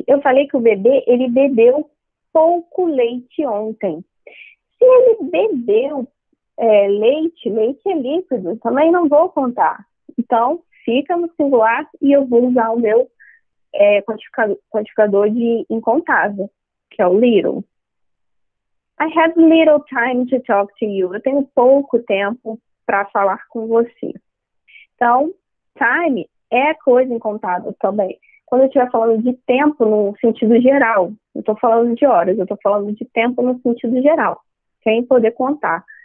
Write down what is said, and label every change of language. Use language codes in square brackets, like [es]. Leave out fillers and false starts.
[pt] Eu falei que o bebê, ele bebeu pouco leite ontem. Se ele bebeu leite, leite é líquido, também não vou contar. Então, fica no singular e eu vou usar o meu quantificador de incontável, que é o little. [en] I have little time to talk to you. [pt] Eu tenho pouco tempo para falar com você. Então, time é coisa incontável também. Quando eu estiver falando de tempo no sentido geral, eu estou falando de horas, eu estou falando de tempo no sentido geral, sem poder contar.